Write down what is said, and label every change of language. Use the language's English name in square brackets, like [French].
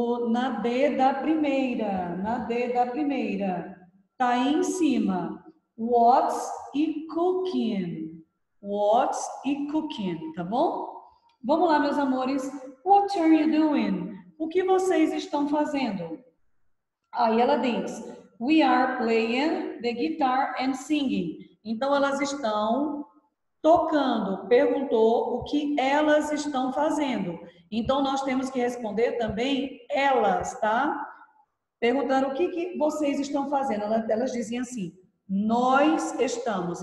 [Portuguese] Na D da primeira, na D da primeira. Tá aí em cima. [English] What's e cooking? What's e cooking, [Portuguese] tá bom? Vamos lá, meus amores. [English] What are you doing? [Portuguese] O que vocês estão fazendo? Aí ela diz, [English] we are playing the guitar and singing. [Portuguese] Então elas estão tocando. Perguntou o que elas estão fazendo. Então nós temos que responder também elas, tá? Perguntaram o que vocês estão fazendo. Elas dizem assim, nós estamos.